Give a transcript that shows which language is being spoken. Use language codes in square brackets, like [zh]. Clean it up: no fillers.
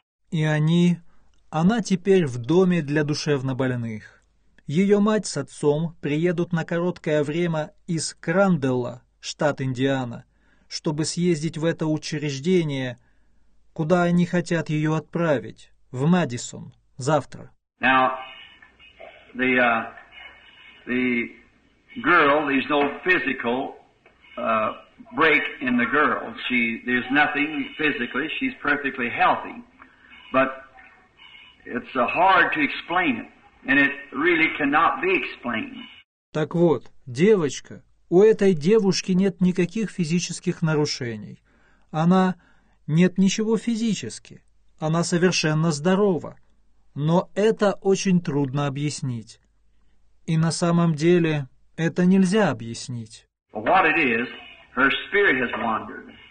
[ru] И она теперь в доме для душевнобольных. Ее мать с отцом приедут на короткое время из Кранделла, штат Индиана, чтобы съездить в это учреждение, куда они хотят ее отправить, в Мэдисон, завтра. [en] Now, the girl, there's no physical break in the girl. There's nothing physically, she's perfectly healthy. But it's hard to explain it, and it really cannot be explained. [ru] Так вот, девочка, у этой девушки нет никаких физических нарушений. Она нет ничего физически. Она совершенно здорова. Но это очень трудно объяснить. И на самом деле это нельзя объяснить. [en] Well, what it is, her spirit has wandered.